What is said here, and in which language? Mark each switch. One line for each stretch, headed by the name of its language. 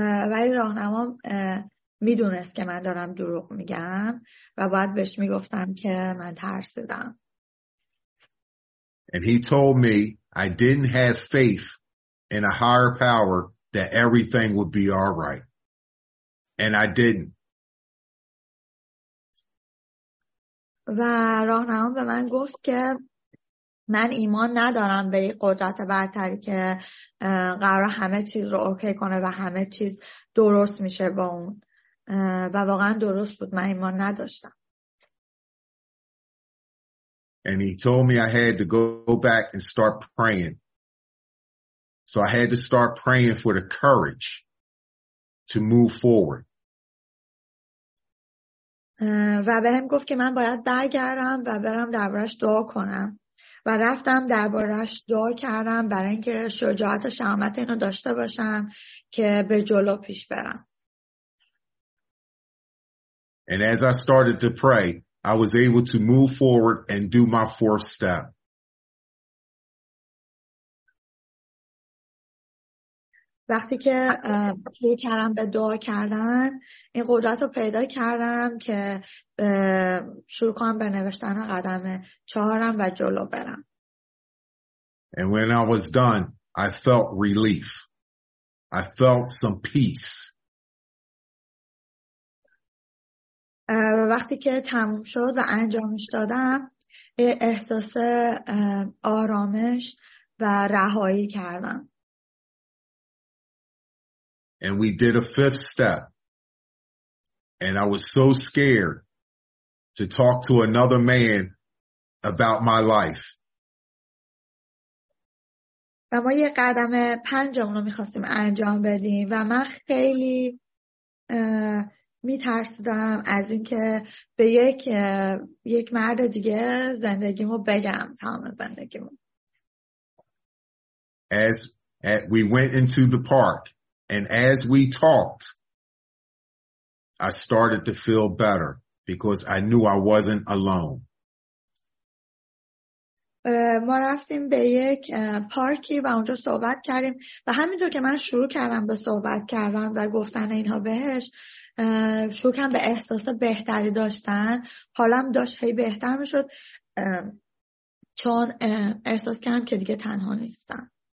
Persian: ولی راهنمام میدونست که من دارم دروغ میگم و باید بهش میگفتم که من ترسیدم.
English: And he told me I didn't have faith in a higher power that everything would be all right. And I didn't.
Persian: و راهنمام به من گفت که من ایمان ندارم به قدرت برتری که قرار همه چیز رو اوکی کنه و همه چیز درست میشه با اون. و واقعا درست بود، من ایمان نداشتم.
English: And he told me I had to go back and start praying. So I had to start praying for the courage to move forward.
Persian: و به هم گفت که من باید برگردم و برم دربارش دعا کنم. و رفتم دربارش دعا کردم برای اینکه شجاعت و شجاعت اینو داشته باشم که به جلو پیش برم.
English: And as I started to pray, I was able to move forward and do my fourth step.
Persian: وقتی که شروع کردم به دعا کردن، این قدرت رو پیدا کردم که شروع کنم به نوشتن قدم چهارم و جلو برم.
English: And when I was done, I felt relief. I felt some peace.
Persian: وقتی که تموم شد و انجامش دادم احساس آرامش و رهایی کردم.
English: And we did a fifth step. And I was so scared to talk to another man about my life.
Persian: و ما یه قدم پنجمون رو می‌خواستیم انجام بدیم و من خیلی می‌ترسیدم از اینکه به یک مرد دیگه زندگیمو بگم تمام زندگیمو.
English: As we went into the park and as we talked, I started to feel better because I knew I wasn't alone.
Persian: ما رفتیم به یک پارکی و اونجا صحبت کردیم و همینطور که من شروع کردم به صحبت کردن و گفتن اینها بهش شروع کردم به احساس بهتری داشتن، حالم داشت هی بهتر میشد چون احساس کردم که دیگه تنها نیستم.